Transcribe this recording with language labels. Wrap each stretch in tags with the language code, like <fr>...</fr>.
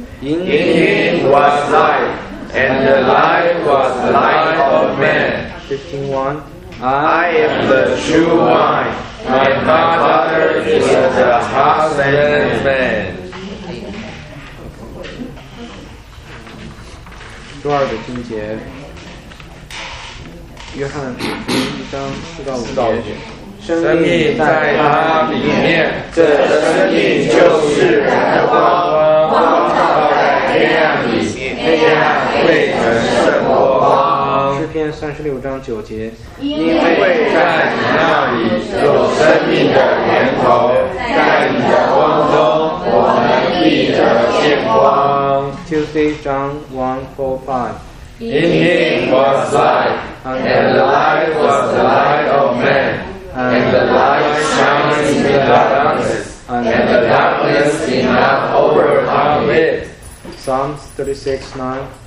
<en>In him was life, and the life was the light of men. 15:1. I am the true wine, and my Father is the husbandman.</en> <zh>周二的经节，约翰一章4-5节。生命在他里面，这生命就是人的光，光照在黑暗里，黑暗未曾胜过光。诗篇36:9，因为在你那里有生命的源头，在你的光中，我们必得见光。</zh> <en>Tuesday 1:4-5。 In him was life, and the life was the light of man. And the light shines in the darkness, and the darkness did not overcome it. Psalms 36:9.</en>